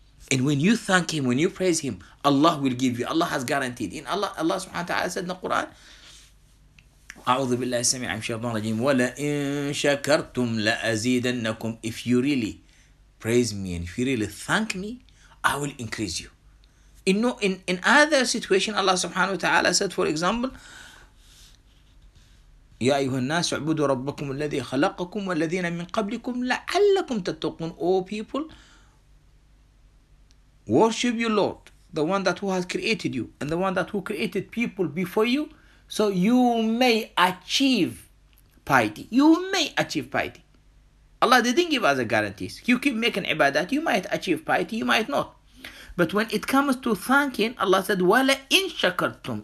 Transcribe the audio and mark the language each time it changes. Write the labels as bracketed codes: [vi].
[en] And when you thank him, when you praise him, Allah will give you. Allah has guaranteed. In Allah subhanahu wa ta'ala said in the Quran, [ar] أَعُوذُ بِاللَّهِ السَّمِيعِ الشَّيْطَانِ الرَّجِيمِ وَلَئِن شَكَرْتُمْ لَأَزِيدَنَّكُمْ. [en] If you really praise me and if you really thank me, I will increase you. In other situation, Allah subhanahu wa ta'ala said, for example, [ar] يا أيها الناس اعبدوا ربكم الذي خلقكم والذين من قبلكم لعلكم تتقون. [en] O people, worship your Lord, the one that who has created you and the one that who created people before you, so you may achieve piety. You may achieve piety. Allah didn't give us a guarantees. You keep making ibadat, you might achieve piety, you might not. But when it comes to thanking, Allah said, [ar] وَلَا إِن شَكَرْتُمْ.